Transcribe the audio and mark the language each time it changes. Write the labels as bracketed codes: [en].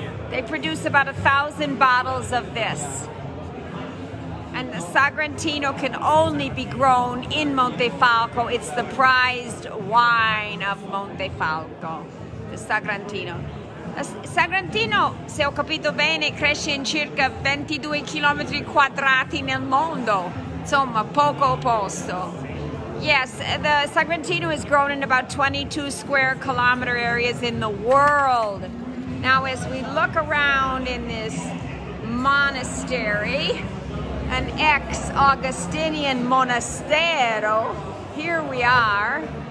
[en] They produce about 1,000 bottles of this. And the Sagrantino can only be grown in Montefalco. It's the prized wine of Montefalco, the Sagrantino. [it] Sagrantino, se ho capito bene, cresce in circa 22 chilometri quadrati nel mondo. Insomma, poco posto. [en] Yes, the Sagrantino is grown in about 22 square kilometer areas in the world. Now, as we look around in this monastery, an ex-Augustinian monastero, here we are.